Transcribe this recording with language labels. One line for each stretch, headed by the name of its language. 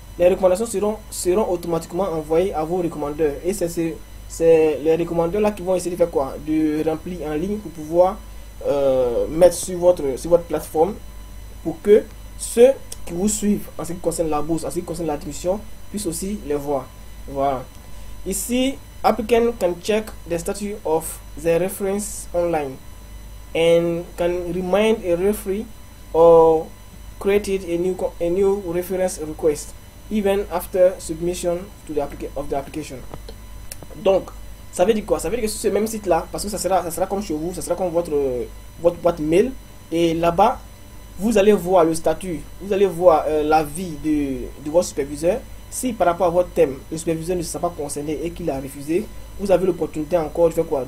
French: Les recommandations seront automatiquement envoyées à vos recommandeurs. Et c'est les recommandeurs là qui vont essayer de faire quoi? De remplir en ligne pour pouvoir mettre sur votre plateforme pour que ceux qui vous suivent en ce qui concerne la bourse, en ce qui concerne l'admission, puissent aussi les voir. Voilà. Ici,
English: applicant can check the status of the reference online and can remind a referee or create a new reference request even after submission to the application.
French: Donc, ça veut dire quoi? Ça veut dire que sur ce même site-là, parce que ça sera comme chez vous, ça sera comme votre boîte mail, et là-bas, vous allez voir le statut, vous allez voir l'avis de votre superviseur. Si par rapport à votre thème, le superviseur ne se sent pas concerné et qu'il a refusé, vous avez l'opportunité encore de faire quoi?